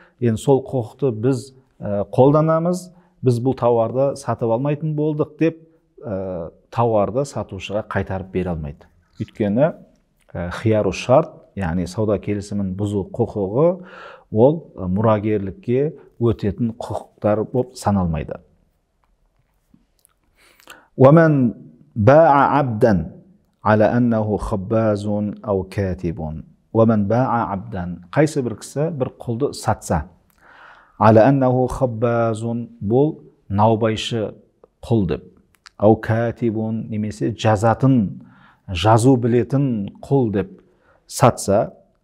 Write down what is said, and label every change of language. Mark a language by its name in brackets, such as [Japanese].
[Kazakh] Енді сол құқықты біз қолданамыз, біз бұл тауарды сатып алмайтын болдық деп тауарды сатушыға қайтарып бере алмайды. Өйткені хияру шарт, яғни сауда келісімін бұзу құқығы, ол мұрагерлікке өтетін құқықтар болып саналмайды. [Arabic] وَمَنْ بَاعَ عَبْدًا عَلَى أَنَّهُ خَبَّازٌ أَوْ كَاتِبٌ. وَمَنْ بَاعَ عَبْدًا, [Kazakh] қайсы бір кісі бір құлды сатса, [Arabic] عَلَى أَنَّهُ خَبَّازٌ, [Kazakh] бұл наубайшы құл деп, [Arabic] أَوْ كَاتِبٌ, [Kazakh] немесе жазатын, жазу білетін құл деп сатса,